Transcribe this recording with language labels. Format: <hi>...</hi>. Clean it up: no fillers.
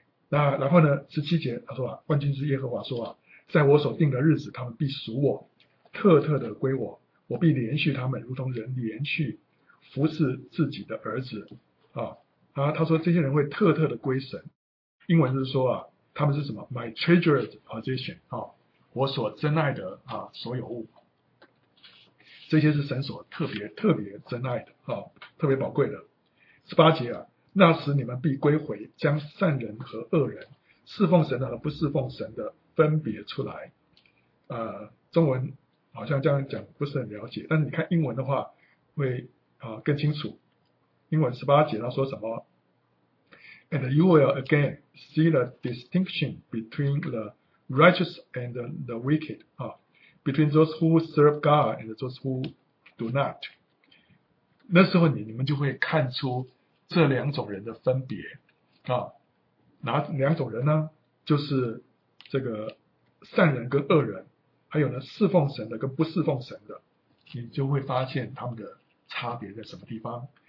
<zh>那然后呢十七节他说万军之耶和华说在我所定的日子他们必属我，特特的归我，我必连续他们如同人连续服侍自己的儿子他说这些人会特特的归神，英文是说他们是什么</zh> <en>My treasured possession</en> <zh>我所珍爱的所有物，这些是神所特别特别珍爱的特别宝贵的。十八节那时你们必归回，将善人和恶人、侍奉神的和不侍奉神的分别出来。中文好像这样讲不是很了解，但是你看英文的话会更清楚。英文十八节他说什么 ？</zh> <en>And you will again see the distinction between the righteous and the wicked, between those who serve God and those who do not.</en> <zh>那时候你们就会看出这两种人的分别啊，哪两种人呢？就是这个善人跟恶人，还有呢侍奉神的跟不侍奉神的，你就会发现他们的差别在什么地方。</zh>